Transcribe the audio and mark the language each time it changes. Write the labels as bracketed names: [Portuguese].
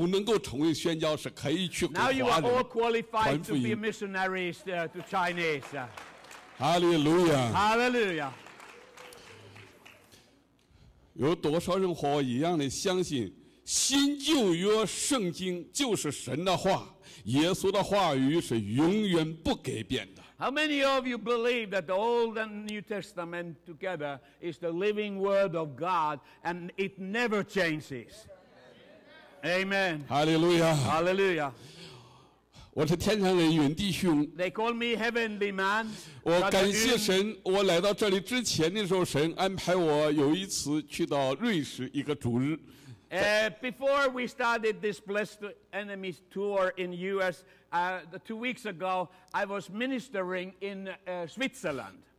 [Chinese] 每一个人都能够成为宣教士，可以去国华人传福音。 [English] Now you are all qualified to be missionaries to Chinese. Hallelujah. Hallelujah. [Chinese] 有多少人和我一样的相信？新旧约圣经就是神的话，耶稣的话语是永远不改变的。 [English] How many of you believe that the Old and New Testament together is the living word of God and it never changes? Amen. Hallelujah. Hallelujah. [Chinese] 我是天上人云弟兄。 [English] They call me heavenly man. [Chinese] 我感谢神，我来到这里之前的时候，神安排我有一次去到瑞士一个主日。 [English] Before we started this Blessed Enemies tour in U.S., 2 weeks ago, I was ministering in Switzerland.